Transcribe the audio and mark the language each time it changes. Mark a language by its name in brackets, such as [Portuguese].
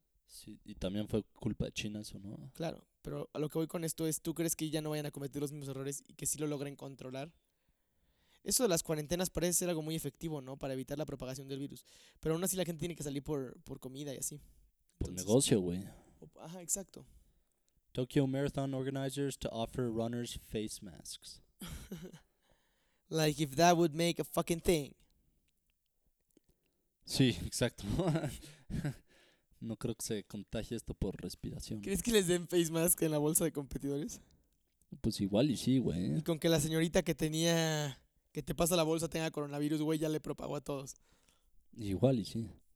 [Spanish] Sí, y también fue culpa de China eso, ¿no? Claro, pero a lo que voy con esto es, ¿tú crees que ya no vayan a cometer los mismos errores y que sí lo logren controlar? Eso de las cuarentenas parece ser algo muy efectivo, ¿no? Para evitar la propagación del virus. Pero aún así la gente tiene que salir por comida y así. Entonces, por negocio, güey. Ajá, exacto. [English] Tokyo Marathon organizers to offer runners face masks. Like if that would make a fucking thing. [Spanish] Sí, exacto. No creo que se contagie esto por respiración. ¿Crees que les den face mask en la bolsa de competidores? Pues igual y sí, güey. Y con que la señorita que tenía... Que te pasa la bolsa tenga coronavirus, güey, ya le propagó a todos. Igual y sí.